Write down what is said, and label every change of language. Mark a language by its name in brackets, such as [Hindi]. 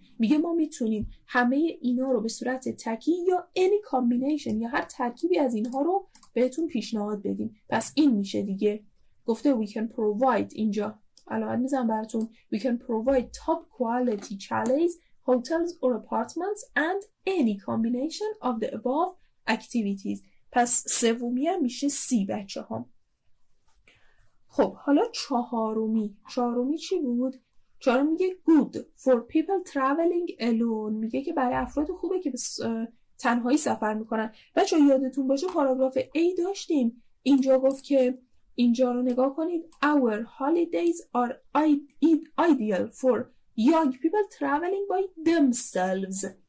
[Persian] میگه ما میتونیم همه اینا رو به صورت تکی یا [English] any combination [Persian] یا هر ترکیبی از اینها رو بهتون پیشنهاد بدیم. پس این میشه دیگه، گفته [English] We can provide، [Persian] اینجا علامت میزنم براتون، [English] We can provide top quality chalets, hotels or apartments and any combination of the above activities. [Persian] پس سومی هم میشه سی بچه ها. خب حالا چهارمی چی بود؟ چهارم میگه [English] good for people traveling alone، [Persian] میگه که برای افراد خوبه که تنهایی سفر میکنن. بچه یادتون باشه پاراگراف A داشتیم، اینجا گفت که اینجا رو نگاه کنید، [English] our holidays are ideal for young people traveling by themselves.